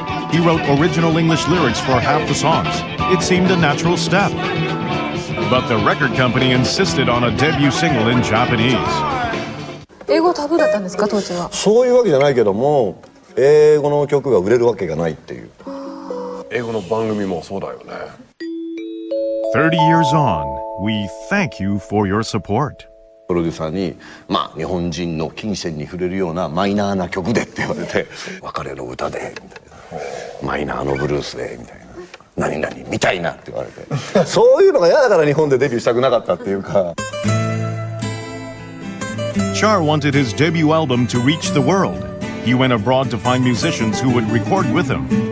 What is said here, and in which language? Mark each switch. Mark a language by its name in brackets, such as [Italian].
[English] He wrote original English lyrics for half the songs. It seemed a natural step. But the record company insisted on a debut single in Japanese. [Japanese] 英語タブーだったんですか、当時は。そういうわけじゃないけども、英語の曲が売れるわけがないっていう。英語の番組もそうだよね。 [English] 30 years on, we thank you for your support. [Japanese] プロデューサーに、まあ、日本人の金銭に触れるようなマイナーな曲でって言われて、別れの歌でみたいな、マイナーのブルースでみたいな、何々みたいなって言われてそういうのが嫌だから日本でデビューしたくなかったっていうか。 [English] Char wanted his debut album to reach the world. He went abroad to find musicians who would record with him.